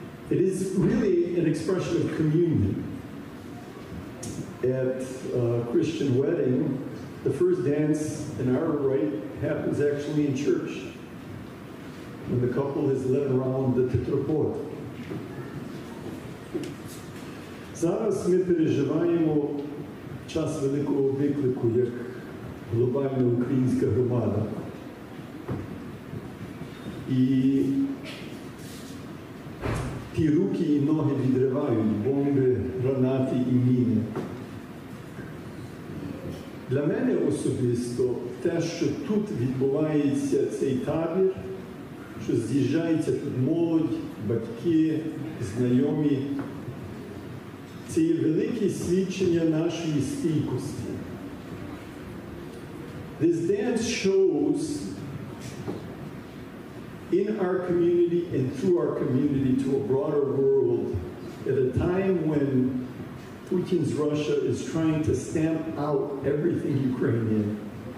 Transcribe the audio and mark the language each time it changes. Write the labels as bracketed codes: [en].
[en] It is really an expression of communion. At a Christian wedding, the first dance in our rite happens actually in church, when the couple is led around the tetrapod. [uk] Зараз ми переживаємо час великого виклику, як глобальна українська громада. І ті руки і ноги відривають бомби, гранати і міни. Для мене особисто те, що тут відбувається цей табір, що з'їжджається тут молодь, батьки, знайомі, це є велике свідчення нашої стійкості. [en] This dance shows in our community and through our community to a broader world at a time when Putin's Russia is trying to stamp out everything Ukrainian.